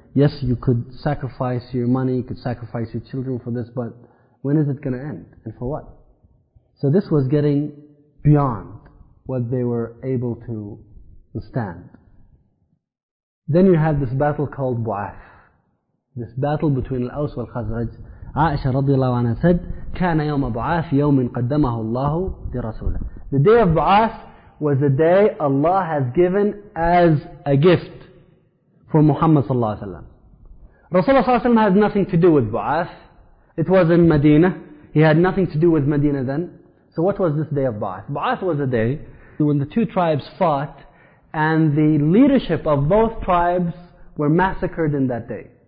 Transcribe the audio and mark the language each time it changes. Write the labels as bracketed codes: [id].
[en] Yes, you could sacrifice your money. You could sacrifice your children for this. But when is it going to end? And for what? So this was getting beyond what they were able to withstand. Then you had this battle called Bu'ath. This battle between Al-Aws wal-Khazraj. Aisha radiallahu anha said, [ar] كَانَ يَوْمَ بُعَاثِ يَوْمٍ قَدَّمَهُ اللَّهُ لِرَسُولَهُ. [en] The day of Ba'ath was the day Allah has given as a gift for Muhammad sallallahu alaihi wasallam. Rasulullah sallallahu alaihi wasallam has nothing to do with Ba'ath. It was in Medina. He had nothing to do with Medina then. So what was this day of Ba'ath? Ba'ath was a day when the two tribes fought and the leadership of both tribes were massacred in that day.